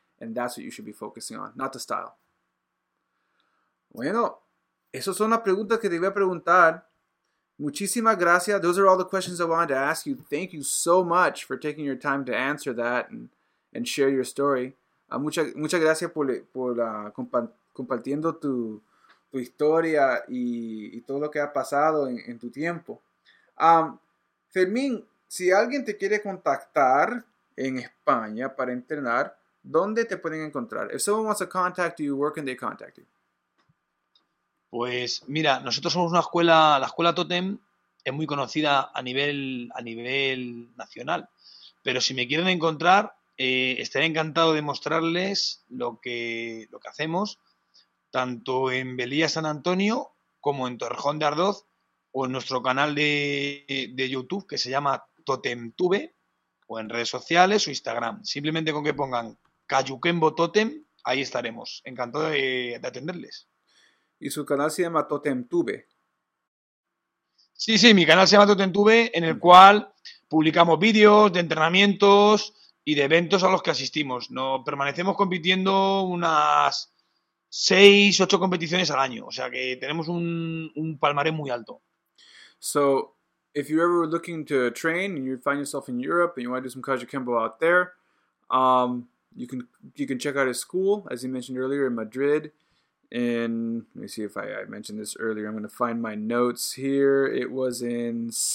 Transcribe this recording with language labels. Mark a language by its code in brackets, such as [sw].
[en] And that's what you should be focusing on, not the style. [es] Bueno. Esas son las preguntas que te iba a preguntar. Muchísimas gracias. [en] Those are all the questions I wanted to ask you. Thank you so much for taking your time to answer that and share your story. [es] Muchas gracias por compartiendo tu historia y todo lo que ha pasado en tu tiempo. Fermín, si alguien te quiere contactar en España para entrenar, ¿dónde te pueden encontrar? [en] If someone wants to contact you, where can they contact you? [es] Pues mira, nosotros somos una escuela, la escuela Totem es muy conocida a nivel nacional. Pero si me quieren encontrar, Estaré encantado de mostrarles lo que hacemos, tanto en Velilla San Antonio como en Torrejón de Ardoz o en nuestro canal de YouTube que se llama TotemTube o en redes sociales o Instagram. Simplemente con que pongan Cayuquembo Totem, ahí estaremos. Encantado de atenderles. Y su canal se llama TotemTube. Sí, mi canal se llama TotemTube, en el cual publicamos vídeos de entrenamientos y de eventos a los que asistimos. No permanecemos compitiendo unas 6, 8 competiciones al año. O sea que tenemos un palmarés muy alto. [en] So, if you're ever looking to train and you find yourself in Europe and you want to do some Kajakembo out there, you can check out his school, as he mentioned earlier, in Madrid. And let me see if I mentioned this earlier. I'm going to find my notes here. It was in